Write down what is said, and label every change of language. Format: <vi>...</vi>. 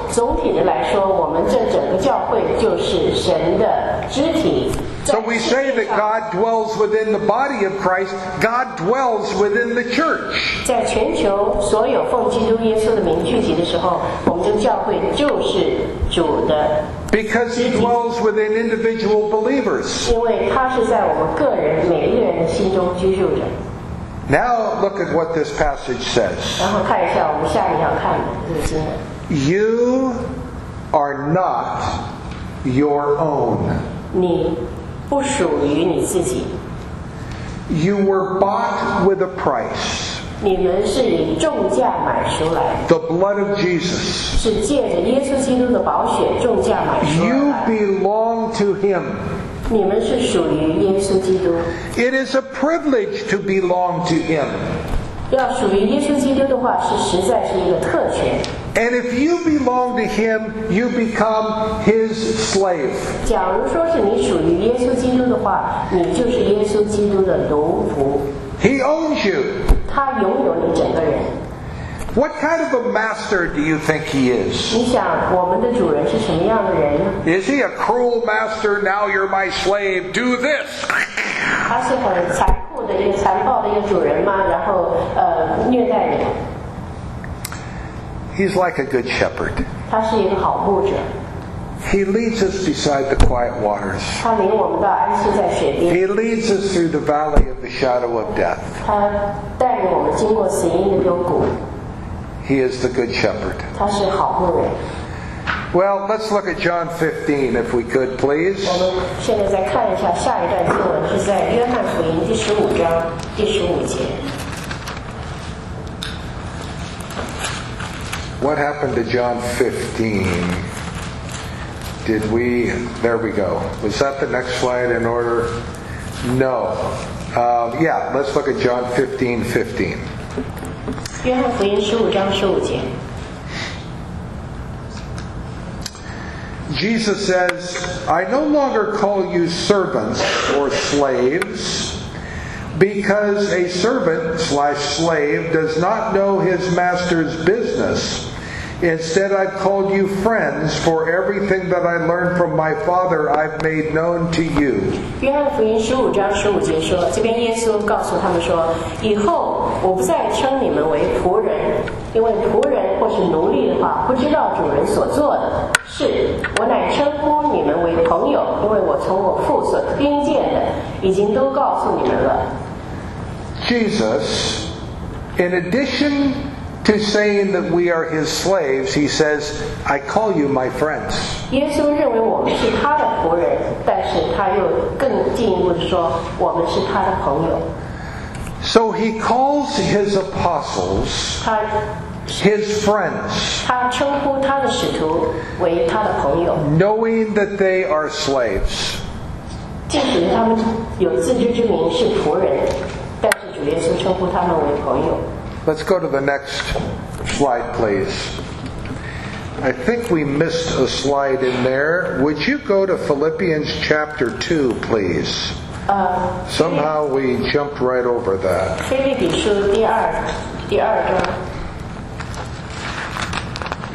<zh>总体的来说，我们这整个教会就是神的肢体。</zh> <en>So we say that God dwells within the body of Christ. God dwells within the church.</en> <zh>在全球所有奉基督耶稣的名聚集的时候，我们的教会就是主的。</zh> <en>Because He dwells within individual believers.</en> <zh>因为他是在我们个人每一个人的心中居住着。</zh> <en>Now look at what this passage says.</en> <zh>然后看一下我们下一要看的这个经文。</zh> <en>You are not your own.</en> <zh>你不属于你自己。</zh> <en>You were bought with a price.</en> <zh>你们是以重价买出来。</zh> <en>The blood of Jesus.</en> <zh>是借着耶稣基督的宝血重价买出来。</zh> <en>You belong to Him.</en> <zh>你们是属于耶稣基督。</zh> <en>It is a privilege to belong to Him.</en> <zh>要属于耶稣基督的话，是实在是一个特权。</zh> <en>And if you belong to him, you become his slave.</en> <zh>假如说是你属于耶稣基督的话，你就是耶稣基督的奴仆。</zh> <en>He owns you.</en> <zh>他拥有你整个人。</zh> <en>What kind of a master do you think he is?</en> <zh>你想我们的主人是什么样的人？</zh> <en>Is he a cruel master? Now you're my slave. Do this.</en> <zh>他是很残酷的一个残暴的一个主人吗？然后虐待你。</zh> <en>He's like a good shepherd.</en> <zh>他是一个好牧者。</zh> <en>He leads us beside the quiet waters.</en> <zh>他领我们到安息在水边。</zh> <en>He leads us through the valley of the shadow of death.</en> <zh>他带领我们经过死荫的幽谷。</zh> <en>He is the good shepherd.</en> <zh>他是好牧人。</zh> <en>Well, let's look at John 15, if we could, please.</en> <zh>我们现在再看一下下一段经文，是在约翰福音第十五章第十五节。</zh> <en>What happened to John 15? Did we? There we go. Was that the next slide in order? No. Yeah. Let's look at John 15:15.</en> <zh>约翰福音十五章十五节。</zh> <en>Jesus says, "I no longer call you servants or slaves, because a servant/slave does not know his master's business." Instead, I've called you friends, for everything that I learned from my Father, I've made known to you.</en> <zh>约翰福音十五章十五节说，这边耶稣告诉他们说，以后我不再称你们为仆人，因为仆人或是奴隶的话，不知道主人所做的事。我乃称呼你们为朋友，因为我从我父所听见的，已经都告诉你们了。</zh> <en>Jesus, in addition to saying that we are his slaves, he says, "I call you my friends."</en> <zh>耶稣认为我们是他的仆人，但是他又更进一步地说，我们是他的朋友。</zh> <en>So he calls his apostles, his friends.</en> <zh>他称呼他的使徒为他的朋友。</zh> <en>Knowing that they are slaves.</en> <zh>即使他们有自知之明是仆人，但是主耶稣称呼他们为朋友。</zh> <en>Let's go to the next slide, please. I think we missed a slide in there. Would you go to Philippians chapter 2, please? Somehow we jumped right over that.</en> <zh>腓立比书第二章。</zh>